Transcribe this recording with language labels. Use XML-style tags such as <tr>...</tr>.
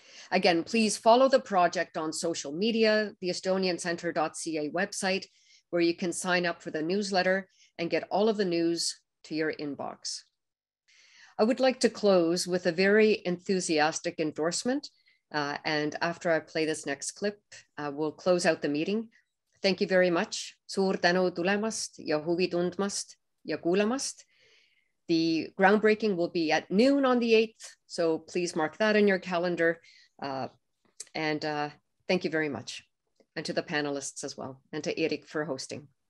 <en>Again, please follow the project on social media, the estoniancentre.ca website, where you can sign up for the newsletter and get all of the news to your inbox. I would like to close with a very enthusiastic endorsement. And after I play this next clip, we'll close out the meeting. Thank you very much.</en> <et>Suur tänu tulemast ja huvi tundmast ja kuulemast.</et> <en>The groundbreaking will be at noon on the 8th, so please mark that in your calendar. Thank you very much, and to the panelists as well, and to Erik for hosting.</en>